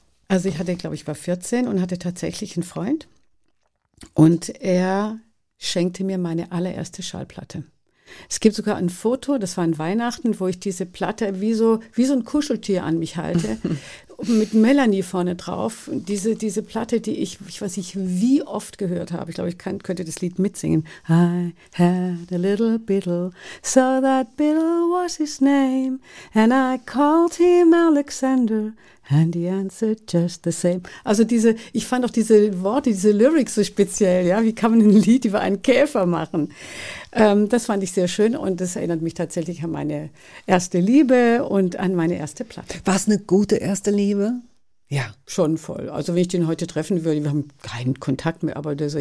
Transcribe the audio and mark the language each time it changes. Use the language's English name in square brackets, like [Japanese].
[German] Also ich hatte, glaube ich, war 14 und hatte tatsächlich einen Freund und er schenkte mir meine allererste Schallplatte. Es gibt sogar ein Foto, das war an Weihnachten, wo ich diese Platte wie so ein Kuscheltier an mich halte, mit Melanie vorne drauf. Diese Platte, die ich weiß nicht, wie oft gehört habe. Ich glaube, ich könnte das Lied mitsingen. [English] I had a little Beetle, so that Beetle was his name, and I called him Alexander, and he answered just the same. [German] Also ich fand auch diese Worte, diese Lyrics so speziell, ja. Wie kann man ein Lied über einen Käfer machen? Das fand ich sehr schön und das erinnert mich tatsächlich an meine erste Liebe und an meine erste Platte. War es eine gute erste Liebe? Ja. Schon voll. Also wenn ich den heute treffen würde, wir haben keinen Kontakt mehr, aber der so.